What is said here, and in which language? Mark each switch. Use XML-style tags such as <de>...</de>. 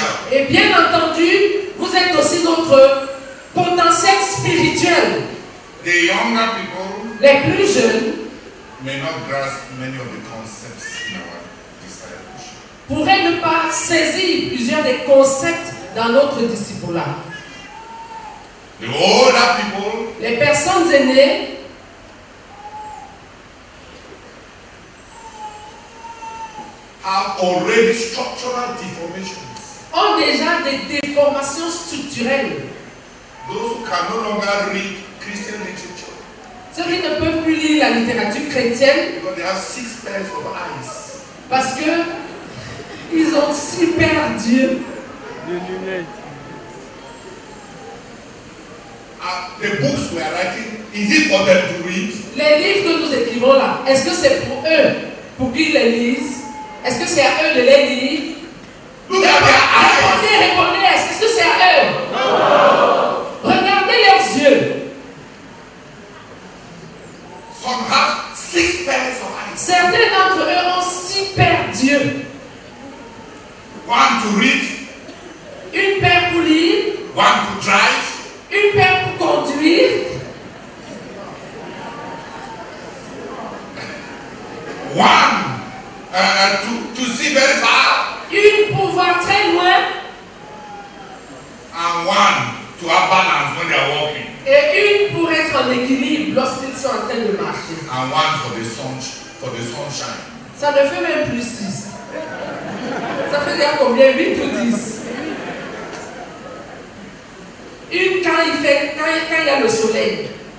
<fr>Et bien entendu, vous êtes aussi notre potentiel spirituel.</fr> <en>The younger people,</en> <fr>les plus jeunes,</fr> <en>may not grasp many of the concepts in our discipleship.</en> <fr>Pourraient ne pas saisir plusieurs des concepts dans notre discipulat.</fr> <en>The older people,</en> <fr>les personnes aînées,</fr> <en>have already structural deformation.</en> <fr>Ont déjà des déformations structurelles.</fr> <en>Those who can no longer read Christian literature.</en> <fr>Ceux qui ne peuvent plus lire la littérature chrétienne.</fr> <en>Because they have six pairs of eyes.</en> <fr>Parce que ils ont six paires d'yeux. Des lunettes.</fr> <en>The books we are writing, is it for them to read?</en> <fr>Les livres que nous écrivons là, est-ce que c'est pour eux, pour qu'ils les lisent? Est-ce que c'est à eux de les lire? Regardez, est-ce que c'est à eux? Non. Regardez leurs yeux.</fr> <en>Some have six pairs of eyes.</en> <fr>Certains d'entre eux ont six paires d'yeux.</fr> <en>One to read.</en> <fr>Une paire pour lire.</fr> <en>One to drive.</en> <fr>Une paire pour conduire.</fr> <en>One to see very far.</en> <fr>Une pour voir très loin.</fr> <en>And one to have balance when they are walking.</en> <fr>Et une pour être en équilibre lorsqu'ils sont en train de marcher.</fr> <en>And one for the sunshine.</en> <fr>Ça ne fait même plus 6. Ça fait déjà combien? 8 ou 10. Une quand il y a le soleil.</fr>